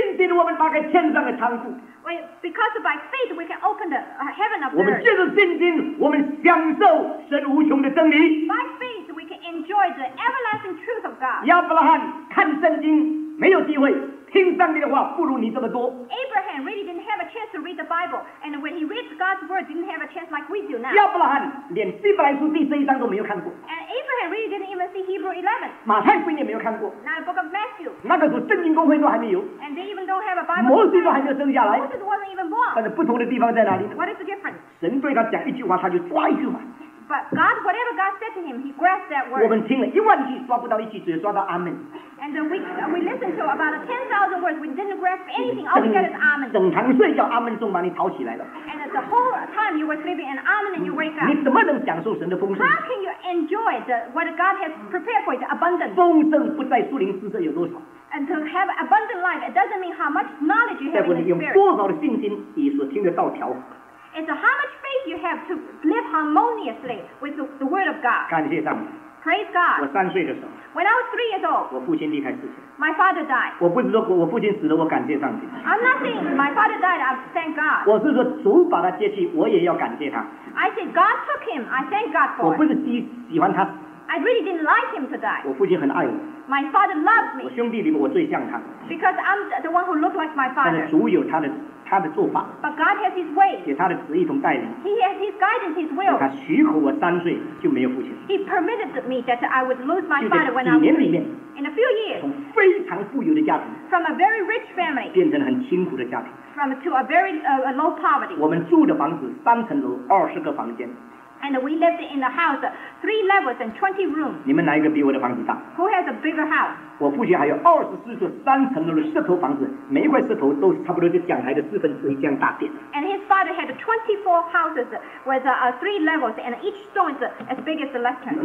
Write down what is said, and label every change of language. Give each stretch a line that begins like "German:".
English: Because by faith we can open the heaven of earth.
Chinese: 我们借着信心，我们享受神无穷的真理。
English: By faith we can enjoy the everlasting truth of God.
Chinese: 亚伯拉罕看圣经没有机会。听上帝的话不如你这么多。
English: Abraham really didn't have a chance to read the Bible, and when he reads God's word, didn't have a chance like we do now.
Chinese: 亚伯拉罕连希伯来书第十一章都没有看过。
English: And Abraham really didn't even see Hebrew 11.
Chinese: 马太福音也没有看过。
English: Now the book of Matthew.
Chinese: 那个时候圣经公会都还没有。
English: And they even don't have a Bible.
Chinese: 摩西都还没有生下来。
English: Moses wasn't even born.
Chinese: 但是不同的地方在哪里？
English: What is the difference?
Chinese: 神对他讲一句话，他就抓一句话。
English: But God, whatever God said to him, he grasped that word.
Chinese: 我们听了一万句，抓不到一句，只抓到阿门。
English: And we listened to about 10,000 words. We didn't grasp anything. All we get is amen.
Chinese: 整堂睡觉，阿门钟把你吵起来了。
English: And the whole time you were sleeping, an amen, and you wake up.
Chinese: 你怎么能享受神的丰盛？
English: How can you enjoy what God has prepared for you, the abundance?
Chinese: 丰盛不在树林之色有多少。
English: And to have abundant life, it doesn't mean how much knowledge you have in the spirit.
Chinese: 在乎你用多少的信心，你所听的道条。
English: It's how much faith you have to live harmoniously with the word of God.
Chinese: 感谢上帝。
English: Praise God.
Chinese: 我三岁的时候。
English: When I was 3 years old.
Chinese: 我父亲离开世界。
English: My father died.
Chinese: 我不是说我父亲死了，我感谢上帝。
English: I'm not saying my father died. I thank God.
Chinese: 我是说主把他接去，我也要感谢他。
English: I said God took him. I thank God for.
Chinese: 我不是喜欢他。
English: I really didn't like him to die.
Chinese: 我父亲很爱我。
English: My father loved me.
Chinese: 我兄弟里面我最像他。
English: Because I'm the one who looked like my father.
Chinese: 但是主有他的做法。
English: But God has His ways.
Chinese: 给他的旨意同带领。
English: He has His guidance, His will.
Chinese: 他许可我三岁就没有父亲。
English: He permitted me that I would lose my father when I was
Chinese: 几年里面。
English: In a few years.
Chinese: 从非常富有的家庭。
English: From a very rich family.
Chinese: 变成很清苦的家庭。
English: From to a very low poverty.
Chinese: 我们住的房子三层楼，二十个房间。
English: And we lived in a house, 3 levels and 20 rooms.
Chinese: 你们哪一个比我的房子大？
English: Who has a bigger house?
Chinese: 我父亲还有24座三层楼的石头房子，每一块石头都差不多就讲台的四分之一这样大点。
English: And his father had 24 houses with 3 levels, and each stone is as big as the lectern.